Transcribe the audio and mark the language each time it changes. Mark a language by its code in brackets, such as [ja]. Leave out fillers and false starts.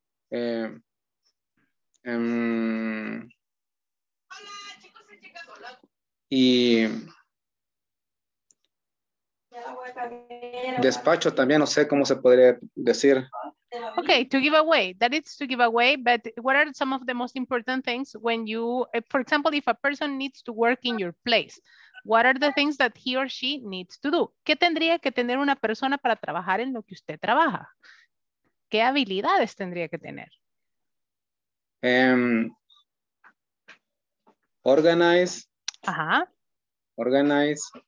[es] Despacho también, no sé cómo se podría decir. [en] Okay, to give away, that is to give away, but what are some of the most important things when you, for example, if a person needs to work in your place, what are the things that he or she needs to do? [es] ¿Qué tendría que tener una persona para trabajar en lo que usted trabaja? ¿Qué habilidades tendría que tener? [en] Organize. Ajá. Organize.